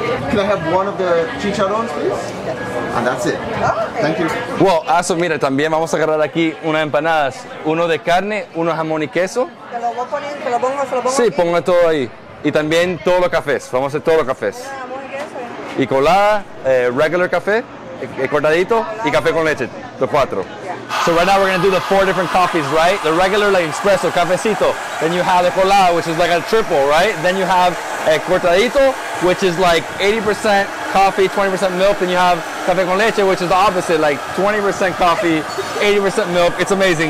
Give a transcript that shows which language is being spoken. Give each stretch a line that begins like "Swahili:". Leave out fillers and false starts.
English: Can I have one of the chicharrones, please? And that's it. Thank you. Well, also,
Spanish: mira, también vamos a agarrar aquí unas empanadas. Uno de carne, uno jamón y queso. Se lo pongo. Sí, ponga todo ahí. Y también todos los cafés, vamos a hacer todos los cafés. Y colada, regular café, cortadito, y café con leche, los cuatro.
English: So right now we're gonna do the four different coffees, right? The regular, like espresso, cafecito. Then you have the colada, which is like a triple, right? Then you have cortadito, which is like 80% coffee, 20% milk. Then you have café con leche, which is the opposite, like 20% coffee, 80% milk. It's amazing.